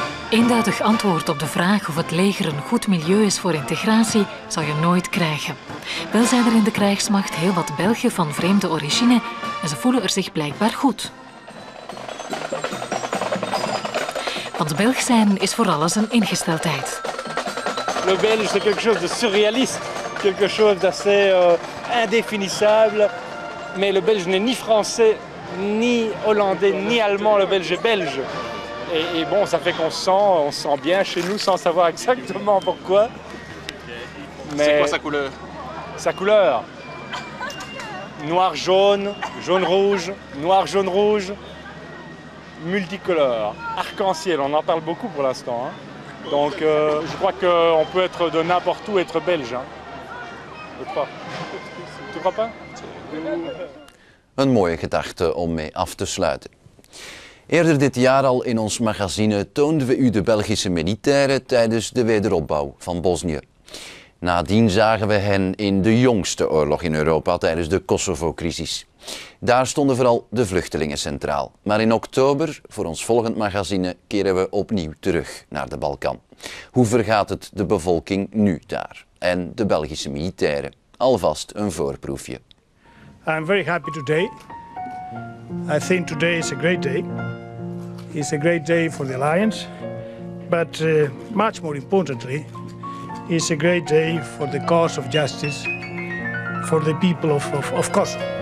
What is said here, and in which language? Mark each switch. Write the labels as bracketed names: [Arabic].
[Dutch] Eenduidig antwoord op de vraag of het leger een goed milieu is voor integratie, zal je nooit krijgen. Wel zijn er in de krijgsmacht heel wat Belgen van vreemde origine en ze voelen er zich blijkbaar goed. Want Belg zijn is voor alles een ingesteldheid. [French] Le Belge c'est quelque chose de surréaliste, quelque chose d'assez indéfinissable. Mais le Belge n'est ni français, ni hollandais, ni allemand, le Belge est belge. Et bon, ça fait qu'on se sent bien chez nous sans savoir exactement pourquoi. Mais c'est quoi sa couleur? Sa couleur? Noir-jaune, jaune-rouge, noir-jaune-rouge, multicolore, arc-en-ciel. On en parle beaucoup pour l'instant. Hein. Donc je crois qu'on peut être de n'importe où et être belge. Hein. Je crois. Tu crois pas? [Dutch] Een mooie gedachte om mee af te sluiten. Eerder dit jaar al in ons magazine toonden we u de Belgische militairen tijdens de wederopbouw van Bosnië. Nadien zagen we hen in de jongste oorlog in Europa tijdens de Kosovo-crisis. Daar stonden vooral de vluchtelingen centraal. Maar in oktober, voor ons volgend magazine, keren we opnieuw terug naar de Balkan. Hoe vergaat het de bevolking nu daar? En de Belgische militairen? Alvast een voorproefje. [English] I'm very happy today. I think today is a great day. It's a great day for the Alliance, but much more importantly, it's a great day for the cause of justice for the people of Kosovo.